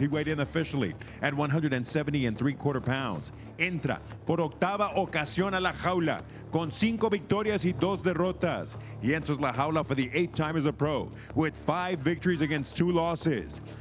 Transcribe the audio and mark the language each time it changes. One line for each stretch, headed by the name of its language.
English: He weighed in officially at 170 and three quarter pounds.
Spanish: Entra por octava ocasión a la jaula con 5 victorias y 2 derrotas.
English: He enters
Spanish: la jaula
English: for the 8th time as a pro with 5 victories against 2 losses.